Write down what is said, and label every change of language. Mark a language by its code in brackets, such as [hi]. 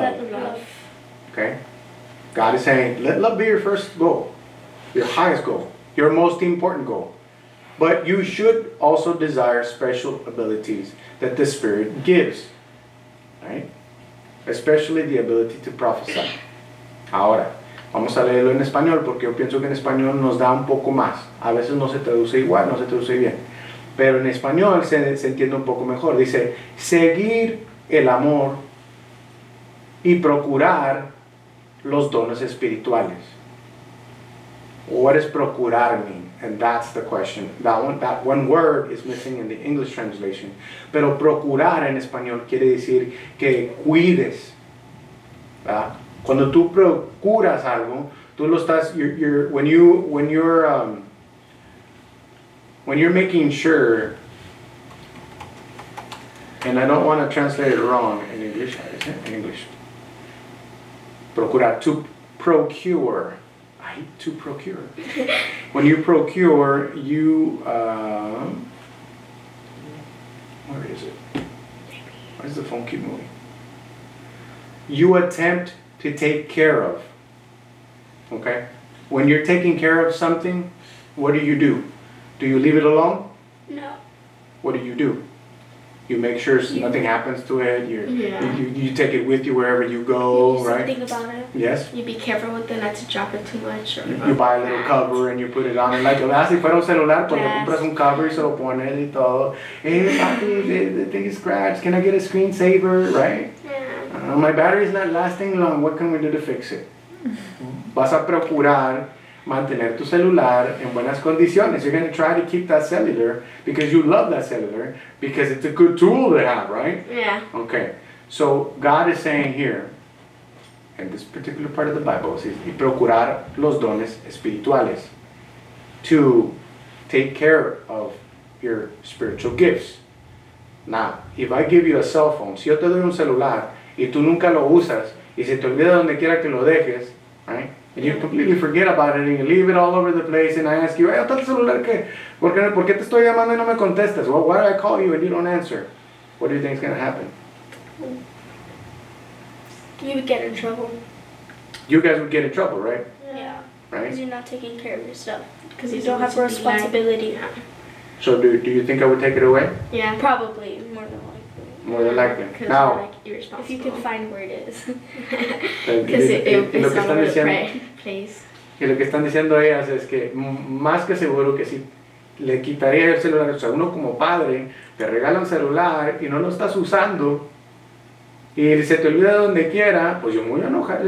[en] Let love. Okay. God is saying, let love be your first goal. Your highest goal. Your most important goal. But you should also desire special abilities that the Spirit gives, right? Especially the ability to prophesy. [es] Ahora, vamos a leerlo en español porque yo pienso que en español nos da un poco más. A veces no se traduce igual, no se traduce bien. Pero en español se entiende un poco mejor. Dice, seguir el amor y procurar los dones espirituales. [en] What does procurar mean? And that's the question. That one word is missing in the English translation. [es] Pero procurar en español quiere decir que cuides. ¿Verdad? Cuando tú procuras algo, tú lo estás, [en] when you're making sure, and I don't want to translate it wrong in English, is it? In English. Procurar, to procure. I hate to procure. When you procure, you, where is it? Why does the phone keep moving? You attempt to take care of, okay? When you're taking care of something, what do? Do you leave it alone? No. What do? You make sure nothing happens to it. You take it with you wherever you go, you right? Something about it. Yes. You be careful with it not to drop it too much. Or you buy a little cover and you put it on. [es] Like, ah, si fuera un celular, pues le compras un cover y se lo pones y todo. [en] Hey, the thing is scratched. Can I get a screensaver, right? Yeah. My battery is not lasting long. What can we do to fix it? [es] Vas a procurar mantener tu celular en buenas condiciones. [en] You're going to try to keep that cellular because you love that cellular because it's a good tool to have, right? Yeah. Okay. So God is saying here, in this particular part of the Bible, it says, [es] y procurar los dones espirituales, [en] to take care of your spiritual gifts. Now, if I give you a cell phone, [es] si yo te doy un celular y tú nunca lo usas y se te olvida donde quiera que lo dejes, [en] right? And you completely forget about it and you leave it all over the place and I ask you, hey, [es] ¿está el celular qué? ¿Por qué te estoy llamando y no me contestas? [en] Well, why did I call you and you don't answer? What do you think is going to happen? You would get in trouble. You guys would get in trouble, right? Yeah. Right? Because you're not taking care of yourself. Because you don't have a responsibility now. So do you think I would take it away? Yeah, probably. More than likely. More than likely. Because now, like, if you can find where it is. Because it's on the right place. [es] Y lo que están diciendo ellas es que más que seguro que si le quitaría el celular, o sea, uno como padre te regala un celular y no lo estás usando y se te olvida donde quiera, pues yo me voy a enojar.